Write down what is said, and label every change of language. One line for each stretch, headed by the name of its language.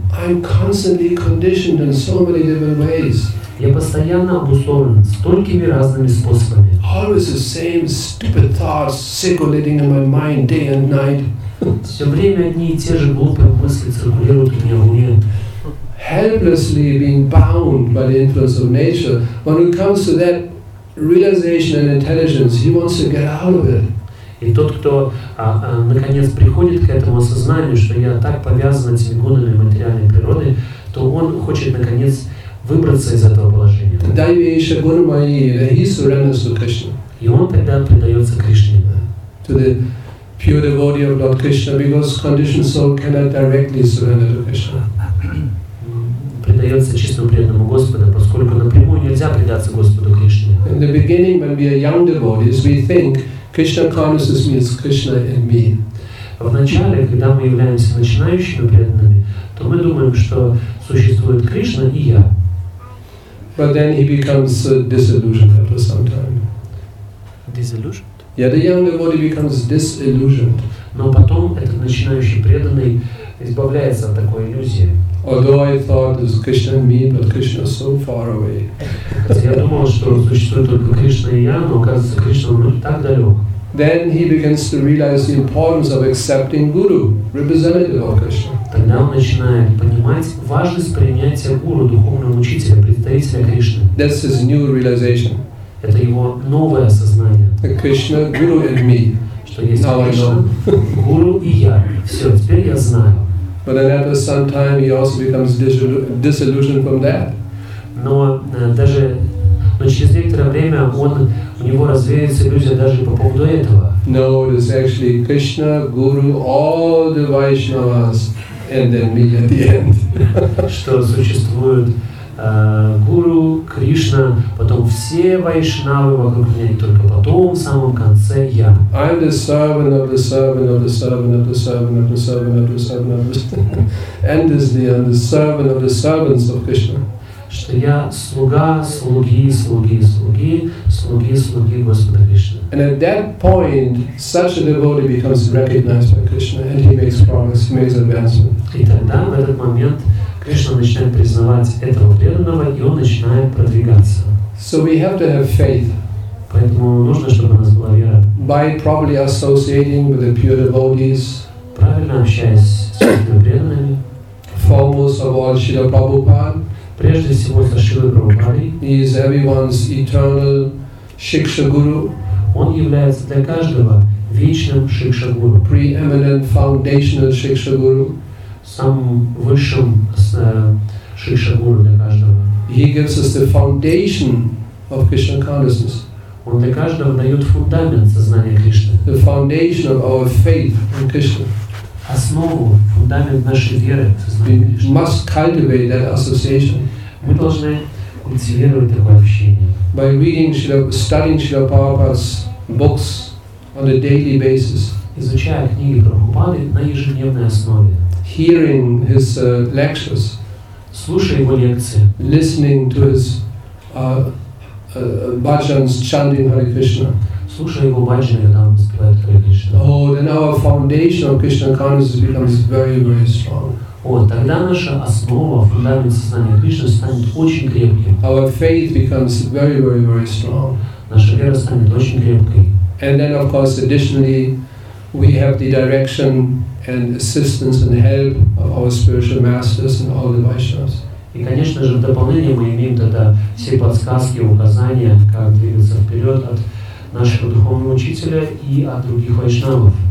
English: I'm constantly conditioned in so many different ways.
Russian: Я постоянно обусловлен столькими разными способами.
English: Always the same stupid thoughts circulating in my mind day and night.
Russian: Все время одни и те же глупые мысли циркулируют у меня в уме.
English: Helplessly being bound by the influence of nature, when it comes to that realization and intelligence, he wants to get out of it.
Russian: И тот, кто наконец приходит к этому осознанию, что я так повязан этими гунами материальной природы, то он хочет наконец выбраться из этого положения. И он тогда предается Кришне.
English: To the pure devotee of Lord Krishna, because conditioned soul cannot directly surrender to Krishna.
Russian: Предается чистому преданному Господу, поскольку напрямую нельзя предаться Господу Кришне.
English: In the beginning, when we are young devotees, we think Krishna consciousness means Krishna in me.
Russian: В начале, когда мы являемся начинающими преданными, то мы думаем, что существует Кришна и я.
English: But then he becomes disillusioned after some time. Disillusioned? Yeah, the young devotee becomes disillusioned.
Russian: Но потом этот начинающий преданный избавляется от такой иллюзии.
English: Although I thought it's Krishna and me, but Krishna is so far away.
Russian: Я думал, что существует только Кришна и я, но оказывается, Кришна так далек.
English: Then he begins to realize the importance of accepting Guru, representative of Krishna.
Russian: Тогда он начинает понимать важность принятия Гуру, духовного учителя, представителя Кришны.
English: That's his new realization.
Russian: Это его новое осознание.
English: Krishna, Guru and me.
Russian: Что есть Кришна, Гуру и я. Все, теперь я знаю.
English: But then after some time he also becomes disillusioned from that.
Russian: Но через некоторое время у него развеется иллюзия даже по поводу этого.
English: No, it is actually Krishna, Guru, all the Vaishnavas, and then me at the end.
Russian: Что существует Гуру, Кришна, потом все Вайшнавы вокруг меня, и только потом, в самом конце, я.
English: I'm the servant of the servant of the servant of the servant of the servant of the servant of the servant of the endlessly, I'm the servant of the servants of Krishna.
Russian: Что я слуга, слуги, слуги, слуги, слуги, слуги Господа Кришны.
English: And at that point, such a devotee becomes recognized by Krishna, and he makes progress, he makes advancement.
Russian: И тогда, в этот момент, Кришна начинает признавать этого преданного, и он начинает продвигаться.
English: So we have to have faith.
Russian: Поэтому нужно, чтобы у нас была вера.
English: By properly associating with the pure devotees.
Russian: Правильно общаясь с чистыми преданными.
English: Foremost of all, Srila Prabhupada.
Russian: Прежде всего, со Шрилой Прабхупадой.
English: He is everyone's eternal Шикшагуру,
Russian: он является для каждого вечным Шикшагуру.
English: Preeminent foundational Шикшагуру,
Russian: самым высшим Шикшагуру для каждого.
English: He gives us the foundation of Krishna consciousness.
Russian: Он для каждого дает фундамент сознания Кришны.
English: The foundation of our faith in Krishna.
Russian: Основу, фундамент нашей веры в сознание Кришны.
English: We must cultivate that association.
Russian: Мы должны культивировать такое общение.
English: By reading, studying Srila Prabhupada's books on a daily basis.
Russian: Изучая книги Прабхупады на ежедневной основе.
English: Hearing his lectures.
Russian: Слушая его лекции.
English: Listening to his bhajans chanting Hare Krishna.
Russian: Слушая его бхаджаны, там воспевают Hare Krishna.
English: Oh, then our foundation of Krishna consciousness becomes very, very strong.
Russian: О, тогда наша основа, фундамент сознания Кришны станет очень крепким.
English: Our faith becomes very, very, very strong.
Russian: Наша вера станет очень крепкой.
English: And then, of course, additionally, we have the direction and assistance and help of our spiritual masters and all the Vaishnavas.
Russian: И, конечно же, в дополнение мы имеем тогда все подсказки, указания, как двигаться вперед от нашего духовного учителя и от других Вайшнавов.